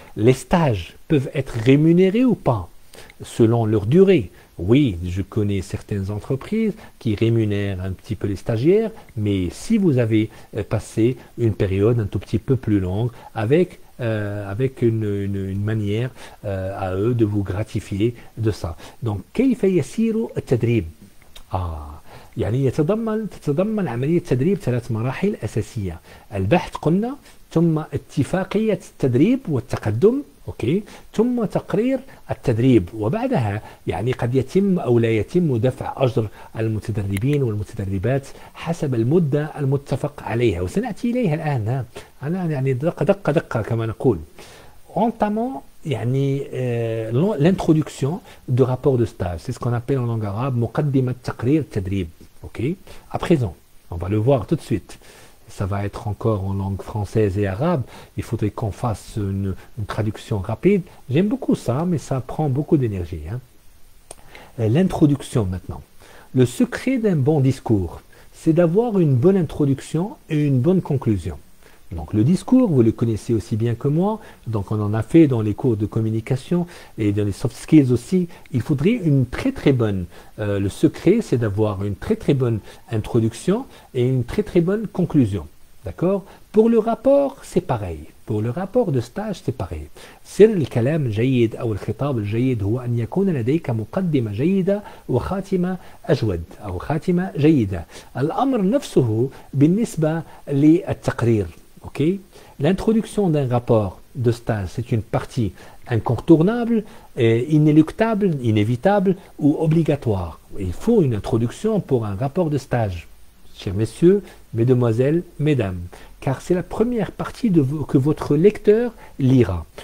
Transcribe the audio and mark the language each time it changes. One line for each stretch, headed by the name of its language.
French: Les stages peuvent être rémunérés ou pas, selon leur durée. Oui, je connais certaines entreprises qui rémunèrent un petit peu les stagiaires, mais si vous avez passé une période un tout petit peu plus longue avec, avec une manière à eux de vous gratifier de ça.
Arabic: Donc, كيف يسير التدريب؟ Ah, يعني تتضمن عملية التدريب ثلاث مراحل أساسية. البحث قلنا ثم اتفاقية التدريب والتقدم. أوكي. ثم تقرير التدريب وبعدها يعني قد يتم أو لا يتم دفع أجر المتدربين والمتدربات حسب المدة المتفق عليها وسنأتي إليها الآن أنا يعني دقة دقة دقة كما نقول
French: entamons
Arabic: يعني
French: l'introduction du rapport de stage c'est ce qu'on appelle en langue arabe
Arabic: مقدمة تقرير التدريب أوكي.
French: À présent on va le voir tout de suite. Ça va être encore en langue française et arabe. Il faudrait qu'on fasse une traduction rapide. J'aime beaucoup ça, mais ça prend beaucoup d'énergie. Hein. L'introduction maintenant. Le secret d'un bon discours, c'est d'avoir une bonne introduction et une bonne conclusion. Donc le discours, vous le connaissez aussi bien que moi. Donc on en a fait dans les cours de communication et dans les soft skills aussi. Il faudrait une très très bonne. Le secret, c'est d'avoir une très très bonne introduction et une très très bonne conclusion. D'accord? Pour le rapport, c'est pareil. Pour le rapport de stage, c'est pareil.
Arabic: سر الكلام جيد أو الخطاب الجيد هو أن يكون لديك مقدمة جيدة وخاتمة أجود أو خاتمة جيدة. الأمر نفسه بالنسبة للتقرير. OK.
French: remarqué, l'introduction d'un rapport de stage, c'est une partie incontournable, inéluctable, inévitable ou obligatoire. Il faut une introduction pour un rapport de stage, chers messieurs, mesdemoiselles, mesdames, car c'est la première partie que votre lecteur lira.